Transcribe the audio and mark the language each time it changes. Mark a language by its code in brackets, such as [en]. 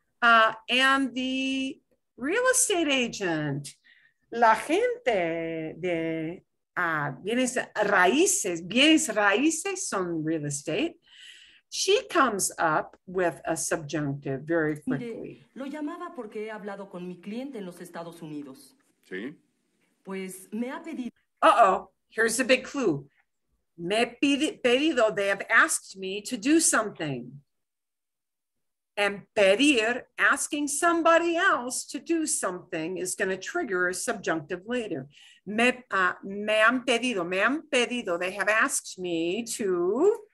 [en] And the real estate agent, [es] la gente de bienes raíces son [en] real estate. She comes up with a subjunctive very quickly. [es] Mire, lo llamaba porque he hablado con mi cliente en los Estados Unidos. Sí. Pues me ha pedido. [en] Uh-oh, here's a big clue. [es] Me pedido, [en] they have asked me to do something. And pedir, asking somebody else to do something, is going to trigger a subjunctive later. [es] Me han pedido, [en] they have asked me to.